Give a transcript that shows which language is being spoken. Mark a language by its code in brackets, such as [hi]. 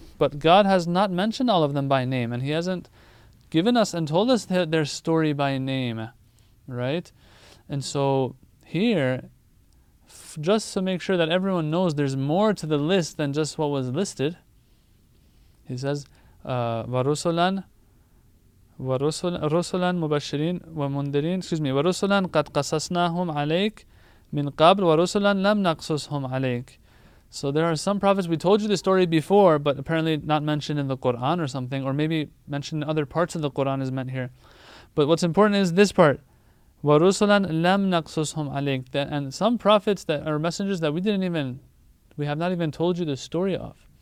[en] But God has not mentioned all of them by name, and He hasn't given us and told us their story by name, right? And so here, just to make sure that everyone knows there's more to the list than just what was listed, he says, [ar] وَرُسُلًا ورسلا مبشرين ومنذرين [en] excuse me [ar] ورسلا قد قصصناهم عليك من قبل ورسلا لم نقصصهم عليك. [en] So there are some prophets, we told you the story before, but apparently not mentioned in the Quran or something, or maybe mentioned in other parts of the Quran is meant here. But what's important is this part. [ar] وَرُسُلًا لَمْ نَقْصُصْهُمْ عَلَيْكَ. [en] And some prophets that are messengers that we have not even told you the story of.